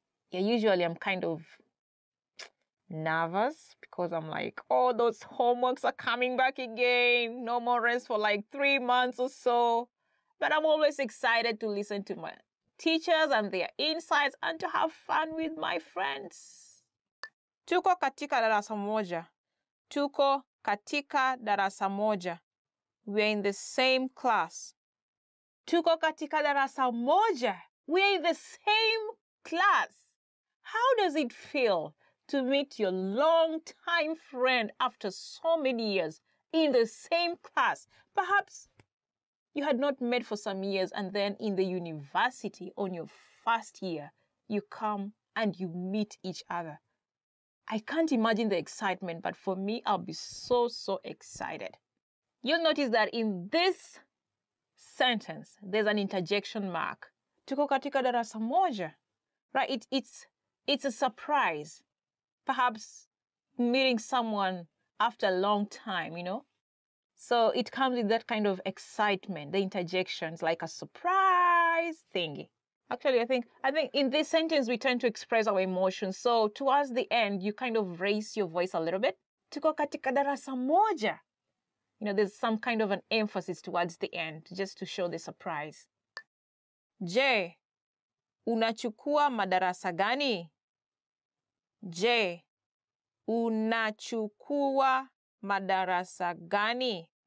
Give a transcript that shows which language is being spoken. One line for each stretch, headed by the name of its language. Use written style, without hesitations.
English: Yeah, usually I'm kind of nervous because I'm like, oh, those homeworks are coming back again. No more rest for like 3 months or so. But I'm always excited to listen to my teachers and their insights and to have fun with my friends.
Swahili: Tuko katika darasa moja. Tuko katika darasa moja.
English: We're in the same class.
Swahili: Tuko katika darasa moja.
English: We're in the same class. How does it feel to meet your long-time friend after so many years in the same class? Perhaps you had not met for some years, and then in the university on your first year, you come and you meet each other. I can't imagine the excitement, but for me, I'll be so, so excited. You'll notice that in this sentence, there's an interjection mark.
Swahili: Tuko katika darasa moja.
English: Right? It's a surprise. Perhaps meeting someone after a long time, you know? So it comes with that kind of excitement, the interjections, like a surprise thingy. Actually, I think in this sentence, we tend to express our emotions. So towards the end, you kind of raise your voice a little bit.
Swahili: Tuko katika darasa moja.
English: You know, there's some kind of an emphasis towards the end, just to show the surprise.
Swahili: Je, unachukua madarasa gani? Je, unachukua madarasa gani?